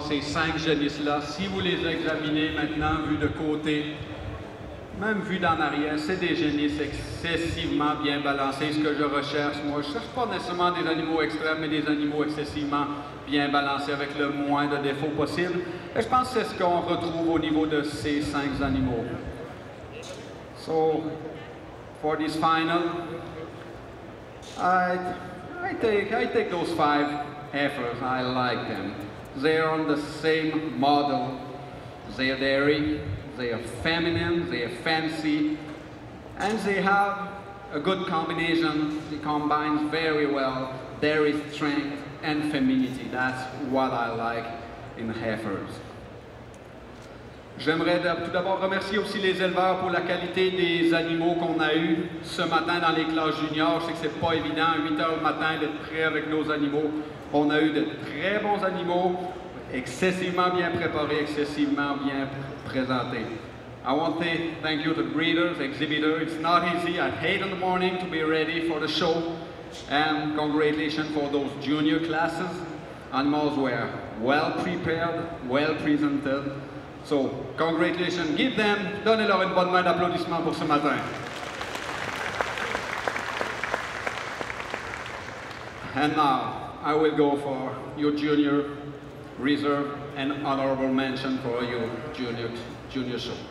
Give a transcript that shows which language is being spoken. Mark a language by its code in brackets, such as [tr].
[fr] Ces 5 jeunesses-là, si vous les examinez maintenant, vu de côté, même vu d'en arrière, c'est des jeunesses excessivement bien balancées. Ce que je recherche, moi, je ne cherche pas nécessairement des animaux extrêmes, mais des animaux excessivement bien balancés avec le moins de défauts possible. Et je pense que c'est ce qu'on retrouve au niveau de ces 5 animaux. [en] So, for this final, I take those 5 heifers. I like them. They're on the same model. They're dairy, they're feminine, they're fancy, and they have a good combination. It combines very well dairy strength and femininity. That's what I like in heifers. [fr] J'aimerais tout d'abord remercier aussi les éleveurs pour la qualité des animaux qu'on a eus ce matin dans les classes juniors. Je sais que c'est pas évident, 8h le matin, d'être prêt avec nos animaux. On a eu de très bons animaux, excessivement bien préparés, excessivement bien présentés. [en] I want to thank you to breeders, exhibitors. It's not easy at 8 in the morning to be ready for the show. And congratulations for those junior classes. Animals were well prepared, well presented. So, congratulations, give them, [fr] donnez-leur une bonne main d'applaudissement pour ce matin. [en] And now, I will go for your junior reserve and honorable mention for your junior show.